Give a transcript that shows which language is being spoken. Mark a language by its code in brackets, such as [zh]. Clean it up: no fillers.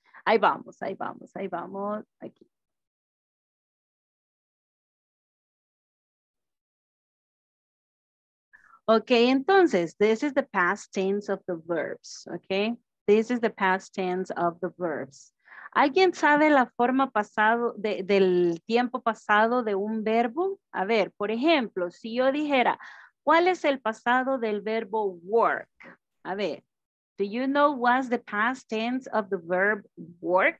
[es] ahí vamos, ahí vamos, ahí vamos, aquí. [en] Okay, [es] entonces, [en] this is the past tense of the verbs, okay? This is the past tense of the verbs. [es] ¿Alguien sabe la forma pasado, del tiempo pasado de un verbo? A ver, por ejemplo, si yo dijera, ¿cuál es el pasado del verbo work? A ver, [en] do you know what's the past tense of the verb work?